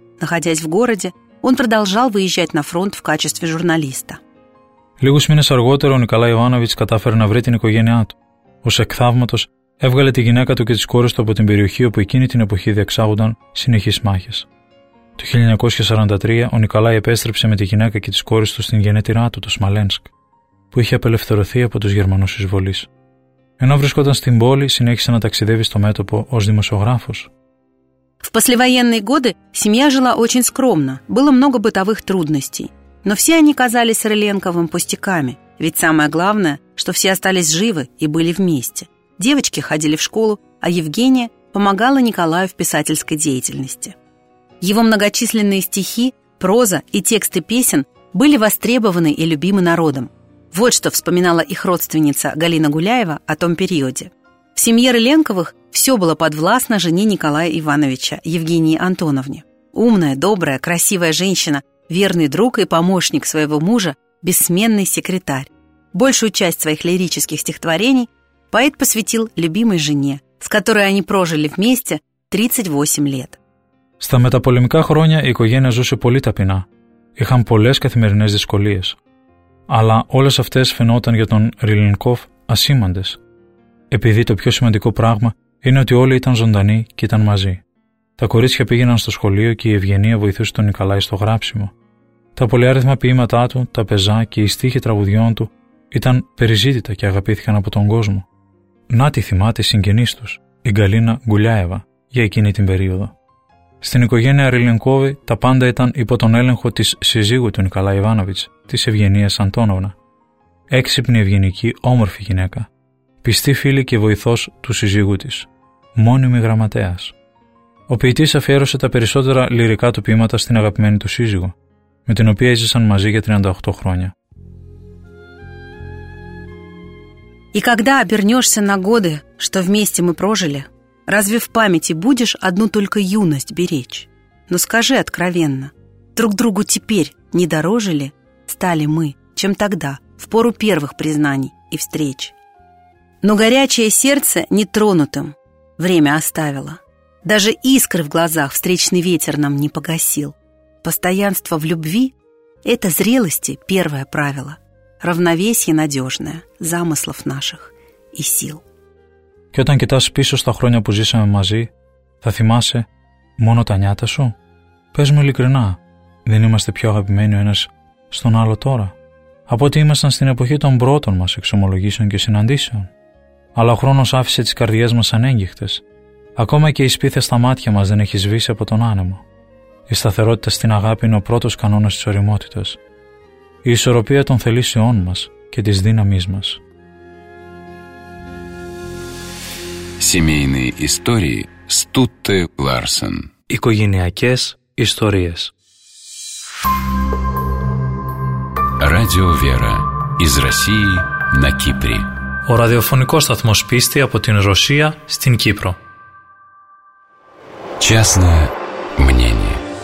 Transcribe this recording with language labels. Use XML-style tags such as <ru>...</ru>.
<ru>Находясь в городе, он продолжал выезжать на фронт в качестве журналиста.</ru> <el>Λίγους μήνες αργότερα ο Νικολάη Ιβάνοβιτς κατάφερε να βρει την οικογένειά του. Ως εκ θαύματος έβγαλε τη γυναίκα του και τις κόρες του από την περιοχή όπου εκείνη την εποχή διεξάγονταν συνεχείς μάχες. Το 1943 ο Νικολάη επέστρεψε με τη γυναίκα και τις κόρες του στην γενέτειρά του, το Σμαλένσκ, που είχε απελευθερωθεί από τους Γερμανούς εισβολείς. Ενώ βρισκόταν στην πόλη, συνέχισε να ταξιδεύει στο μέτωπο ως δημοσιογράφος.</el> <ru>В послевоенные годы семья жила очень скромно, было много бытовых трудностей. Но все они казались Рыленковым пустяками, ведь самое главное, что все остались живы и были вместе. Девочки ходили в школу, а Евгения помогала Николаю в писательской деятельности. Его многочисленные стихи, проза и тексты песен были востребованы и любимы народом. Вот что вспоминала их родственница Галина Гуляева о том периоде. В семье Рыленковых все было подвластно жене Николая Ивановича, Евгении Антоновне. Умная, добрая, красивая женщина, верный друг и помощник своего мужа, бессменный секретарь. Большую часть своих лирических стихотворений поэт посвятил любимой жене, с которой они прожили вместе 38 лет.</ru> <el>Στα μεταπολεμικά χρόνια η οικογένεια ζούσε πολύ ταπεινά. Είχαν πολλές καθημερινές δυσκολίες. Αλλά όλες αυτές φαινόταν για τον Ριλενκόφ ασήμαντες. Επειδή το πιο σημαντικό πράγμα είναι ότι όλοι ήταν ζωντανοί και ήταν μαζί. Τα κορίτσια πήγαιναν στο σχολείο και η Ευγενία βοηθούσε τον Νικολάη στο γράψιμο. Τα πολυάριθμα ποίηματά του, τα πεζά και οι στίχοι τραγουδιών του ήταν περιζήτητα και αγαπήθηκαν από τον κόσμο. Να τη θυμάται η συγγενής τους, η Γκαλίνα Γκουλιάεβα, για εκείνη την περίοδο. Στην οικογένεια Ριλενκόβη τα πάντα ήταν υπό τον έλεγχο της σύζυγου του Νικολάη Ιβάνοβιτς, της Ευγενίας Αντώνοβνα. Έξυπνη, ευγενική, όμορφη γυναίκα. Πιστή φίλη και βοηθός του σύζυγου της. Μόνιμη γραμματέας. Ο ποιητής αφιέρωσε τα περισσότερα λυρικά του ποίηματα στην αγαπημένη του σύζυγο, με την οποία έζησαν μαζί για 38 χρόνια.</el> <ru>И когда обернешься на годы, что вместе мы прожили, разве в памяти будешь одну только юность беречь? Но скажи откровенно, друг другу теперь не дороже ли стали мы, чем тогда, в пору первых признаний и встреч? Но горячее сердце нетронутым время оставило. Даже искры в глазах встречный ветер нам не погасил. Постоянство в любви — это зрелости первое правило, равновесие надежное замыслов наших и сил.</ru> <el>Και όταν κοιτάς πίσω στα χρόνια που ζήσαμε μαζί, θα θυμάσαι μόνο τα νιάτα σου? Πες μου ειλικρινά, δεν είμαστε πιο αγαπημένοι ο ένας στον άλλο τώρα, από ότι ήμασταν στην εποχή των πρώτων μας εξομολογήσεων και συναντήσεων? Αλλά ο χρόνος άφησε τις καρδιές μας ανέγγιχτες. Ακόμα και η σπίθα στα μάτια μας δεν έχει σβήσει από τον άνεμο. Η σταθερότητα στην αγάπη είναι ο πρώτος κανόνας της ωριμότητας. Η ισορροπία των θελήσεών μας και της δύναμής μας.</el> <ru>Семейные истории Стутте Ларсен.</ru> <el>Οικογενειακές ιστορίες.</el> <ru>Радио Вера. Из России на Кипре.</ru> <el>Ο ραδιοφωνικός σταθμός πίστη από την Ρωσία στην Κύπρο.</el> <ru>Частное мнение.</ru>